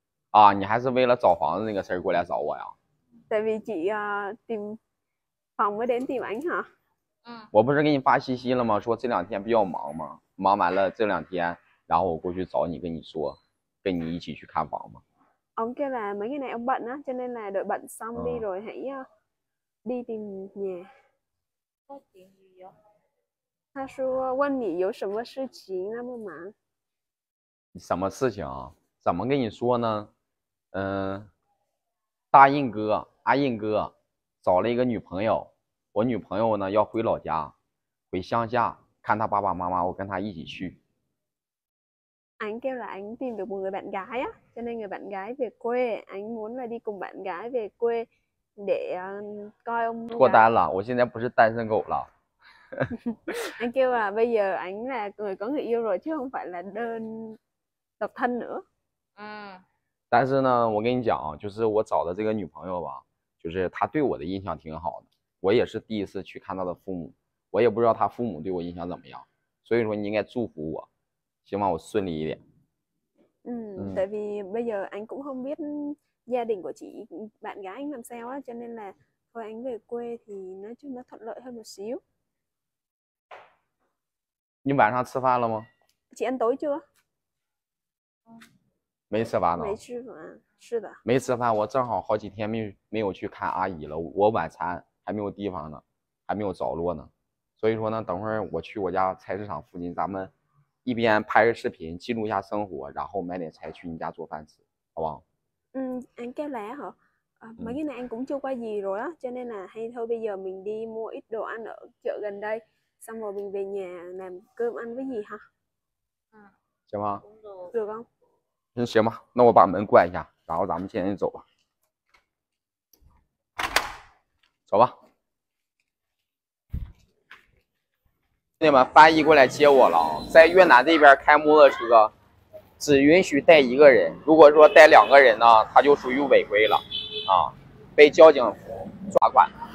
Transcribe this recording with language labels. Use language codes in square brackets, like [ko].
[zh] 啊，你还是为了找房子那个事儿过来找我呀？在微信呀，订房没点订完哈。我不是给你发信息了吗？说这两天比较忙吗？忙完了这两天，然后我过去找你，跟你说，跟你一起去看房 [vi] Ông kêu là mấy cái này ông bận á, cho nên là đợi bận xong đi [zh] 吗？ [vi] rồi hãy đi tìm nhà. Có chuyện gì vậy? [zh] 他说问你有什么事情那么忙？什么事情啊？怎么跟你说呢？大印哥、阿印哥找了一个女朋友，我女朋友呢要回老家，回乡下看她爸爸妈妈，我跟她一起去。 [vi] Anh kêu là anh tìm được một người bạn gái á, cho nên người bạn gái về quê, anh muốn là đi cùng bạn gái về quê để coi ông [zh] 脱单了，我现在不是单身狗了。 [vi] gái. Anh kêu là bây giờ anh là người có người yêu rồi chứ không phải là đơn độc thân nữa. [zh] 但是呢，我跟你讲啊，就是我找的这个女朋友吧，就是她对我的印象挺好的。我也是第一次去看她的父母，我也不知道她父母对我印象怎么样。所以说，你应该祝福我，希望我顺利一点。 [vi] Tại vì bây giờ anh cũng không biết gia đình của chị bạn gái anh làm sao á, cho nên là thôi anh về quê thì nói chung nó thuận lợi hơn một xíu. [zh] 你晚上吃饭了吗？ [vi] Chị ăn tối chưa? [zh] 没吃饭没呢。吃饭，是的。没吃饭，我正好好几天没有去看阿姨了。我晚餐还没有地方呢，还没有着落呢。所以说呢，等会儿我去我家菜市场附近，咱们一边拍个视频，记录一下生活，然后买点菜去你家做饭吃，好 [vi] Anh kêu là hả, à, [zh] 不好？ [vi] mấy cái này anh cũng chưa qua gì rồi á, cho nên là hay thôi bây giờ mình đi mua ít đồ ăn ở chợ gần đây, xong rồi mình về nhà làm cơm ăn với gì hả? Chào mừng. [zh] 工作。 [vi] Được không? [zh] 那行吧，那我把门关一下，然后咱们现在走吧，走吧。兄弟们，翻译过来接我了啊！在越南这边开摩托车，只允许带一个人，如果说带两个人呢，他就属于违规了，啊，被交警抓管。